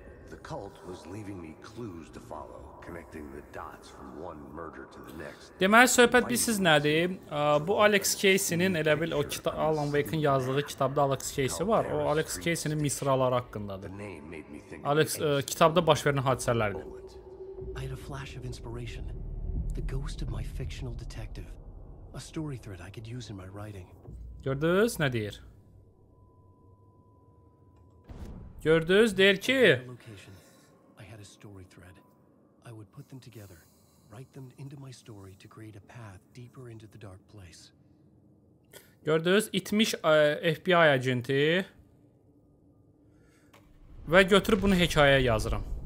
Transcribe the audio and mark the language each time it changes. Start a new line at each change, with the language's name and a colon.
English: The cult was leaving me clues to follow, connecting the dots from one murder to the next.
Azerbaijani: Deməli söhbət bilirsiniz nədir? Bu Alex Casey'nin elə bil o Alan Wake'in yazdığı kitabda Alex Casey var. O Alex Casey'nin misraları haqqındadır. Alex kitabda baş verən hadisələrdir.
English: I had a flash of inspiration. The ghost of my fictional detective. A story thread I could use in my writing.
Azerbaijani: Gördünüz nə deyir? Gördünüz deyir ki
English: I had a story thread. I would put them together, write them into my story to create a path deeper into the dark place.
Azerbaijani: Gördünüz itmiş FBI agenti və götürüb bunu hekayəyə yazıram.